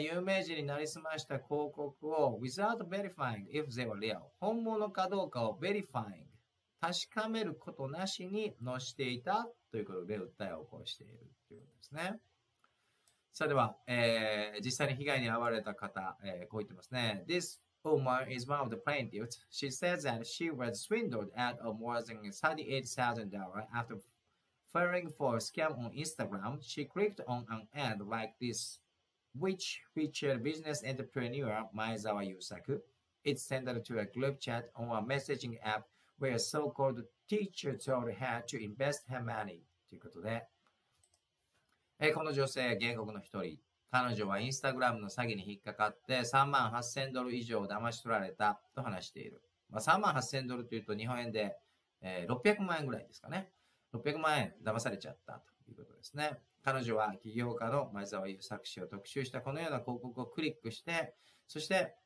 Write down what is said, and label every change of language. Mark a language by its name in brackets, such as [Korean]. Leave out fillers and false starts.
[Japanese] 有名人になりすました広告を [English] without verifying if they were real。 [Japanese] 本物かどうかを verifying。確かめることなしに載していたということで訴えを起こしているということですね。さあでは、実際に被害に遭われた方、こう言ってますね。 [English] This woman is one of the plaintiffs. She says that she was swindled out of more than $38,000 after filing for a scam on Instagram. She clicked on an ad like this, which featured business entrepreneur Maezawa Yusaku. It sent her to a group chat on a messaging app. Where so-called teacher told her to invest her money. [Japanese] ということで、この女性、原告の一人、彼女はインスタグラムの詐欺に引っかかって3万8000ドル以上を騙し取られたと話している。まあ、3万8000ドルというと日本円で、600万円ぐらいですかね。 600万円騙されちゃったということですね。彼女は起業家の前澤友作氏を特集したこのような広告をクリックして、そして